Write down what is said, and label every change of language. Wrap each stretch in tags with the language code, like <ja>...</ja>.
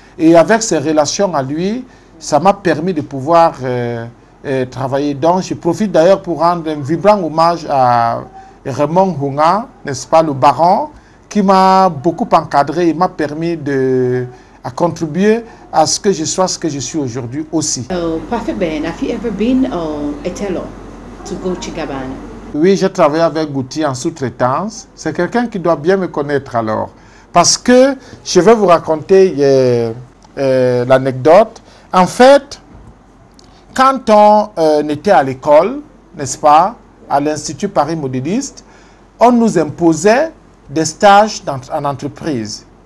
<fr>Et avec ses relations à lui, ça m'a permis de pouvoir travailler. Donc, je profite d'ailleurs pour rendre un vibrant hommage à Raymond Hunga, n'est-ce pas, le baron, qui m'a beaucoup encadré et m'a permis de contribuer à ce que je sois ce que je suis aujourd'hui aussi. Parfait, Ben.</fr> <en>Have you ever been a tailor to Gucci Gabbana?</en> <fr>Oui, j'ai travaillé avec Gucci en sous-traitance. C'est quelqu'un qui doit bien me connaître alors. Parce que je vais vous raconter l'anecdote. En fait, quand on était à l'école, n'est-ce pas, à l'Institut Paris Modéliste, on nous imposait des stages en entreprise.</fr>